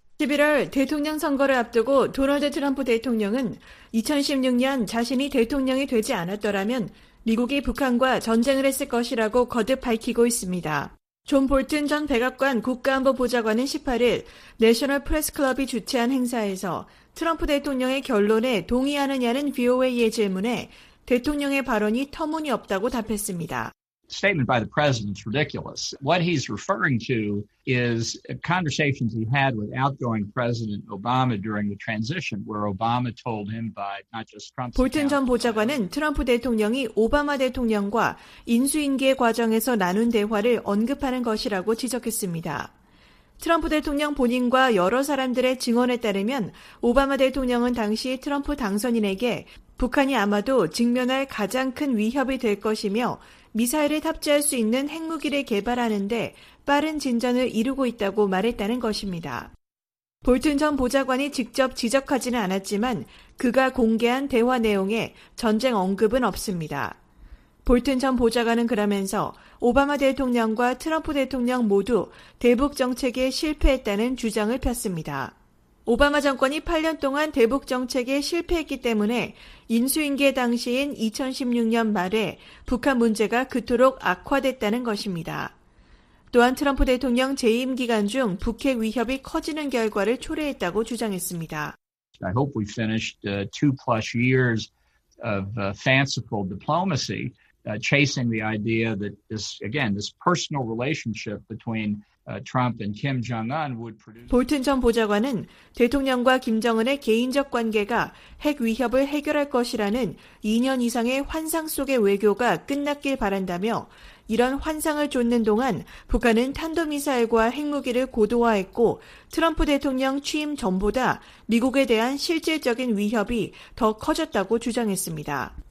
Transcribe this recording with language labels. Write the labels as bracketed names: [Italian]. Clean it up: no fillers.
[Korean] 11월 대통령 선거를 앞두고 도널드 트럼프 대통령은 2016년 자신이 대통령이 되지 않았더라면 미국이 북한과 전쟁을 했을 것이라고 거듭 밝히고 있습니다. 존 볼튼 전 백악관 국가안보보좌관은 18일 내셔널 프레스클럽이 주최한 행사에서 트럼프 대통령의 결론에 동의하느냐는 VOA의 질문에 대통령의 발언이 터무니없다고 답했습니다. [English] Statement by the president is ridiculous. What he's referring to is conversations he had with outgoing President Obama during the transition, where Obama told him by not just Trump. [Korean] 볼튼 전 보좌관은 트럼프 대통령이 오바마 대통령과 인수인계 과정에서 나눈 대화를 언급하는 것이라고 지적했습니다. 트럼프 대통령 본인과 여러 사람들의 증언에 따르면 오바마 대통령은 당시 트럼프 당선인에게 북한이 아마도 직면할 가장 큰 위협이 될 것이며 미사일을 탑재할 수 있는 핵무기를 개발하는데 빠른 진전을 이루고 있다고 말했다는 것입니다. 볼튼 전 보좌관이 직접 지적하지는 않았지만 그가 공개한 대화 내용에 전쟁 언급은 없습니다. 볼튼 전 보좌관은 그러면서 오바마 대통령과 트럼프 대통령 모두 대북 정책에 실패했다는 주장을 폈습니다. 오바마 정권이 8년 동안 대북 정책에 실패했기 때문에 인수인계 당시인 2016년 말에 북한 문제가 그토록 악화됐다는 것입니다. 또한 트럼프 대통령 재임 기간 중 북핵 위협이 커지는 결과를 초래했다고 주장했습니다. [English] I hope we finished two plus years of fanciful diplomacy, chasing the idea that this, again, this personal relationship between Trump and Kim Jong-un would produce. [Korean] 볼튼 전 보좌관은 대통령과 김정은의 개인적 관계가 핵 위협을 해결할 것이라는 2년 이상의 환상 속의 외교가 끝났길 바란다며 이런 환상을 쫓는 동안 북한은 탄도미사일과 핵무기를 고도화했고 트럼프 대통령 취임 전보다 미국에 대한 실질적인 위협이 더 커졌다고 주장했습니다.